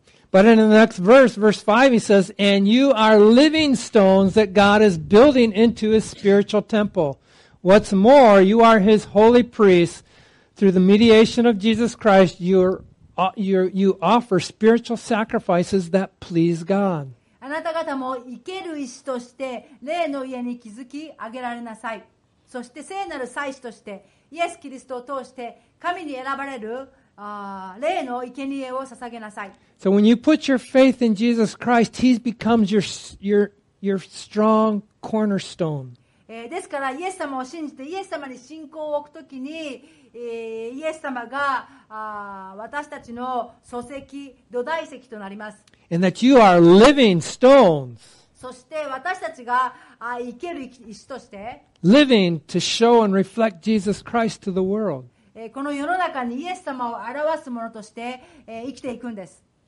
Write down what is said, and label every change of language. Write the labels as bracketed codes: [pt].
[en] But in the next verse, verse 5, he says, And you are living stones that God is building into his spiritual temple. What's more, you are his holy priests. Through the mediation of Jesus Christ, you offer spiritual sacrifices that please God. [ja] あなた方も生ける石として霊の家に築き上げられなさい。そして聖なる祭司として、イエス・キリストを通して神に選ばれる霊の生贄を捧げなさい。 [en] So when you put your faith in Jesus Christ, He becomes your strong cornerstone. [ja] ですから、イエス様を信じて、イエス様に信仰を置くときに、イエス様が私たちの礎石、土台石となります。 [en] And that you are living stones. [ja] そして私たちが生ける石として、 [en] living to show and reflect Jesus Christ to the world. [ja] この世の中にイエス様を表すものとして生きていくんです。